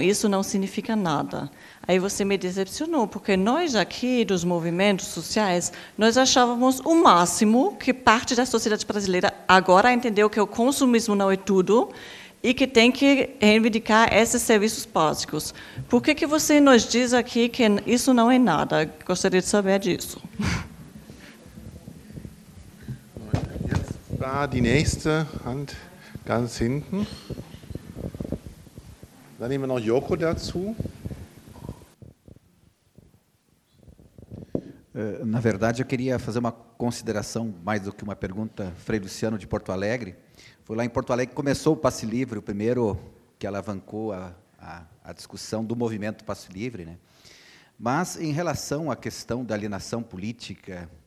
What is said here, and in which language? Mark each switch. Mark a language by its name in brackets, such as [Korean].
[Portuguese] Isso não significa nada. Aí você me decepcionou, porque nós aqui, dos movimentos sociais, nós achávamos o máximo que parte da sociedade brasileira agora entendeu que o consumismo não é tudo e que tem que reivindicar esses serviços básicos. Por que você nos diz aqui que isso não é nada? Gostaria de saber disso. [German] Da, die nächste Hand, ganz hinten. Dann nehmen wir noch Joko dazu. [Portuguese] Na verdade, eu queria fazer uma consideração, mais do que uma pergunta, Frei Luciano, de Porto Alegre. Foi lá em Porto Alegre que começou o Passe Livre, o primeiro que alavancou a discussão do movimento Passe Livre, né? Mas, em relação à questão da alienação política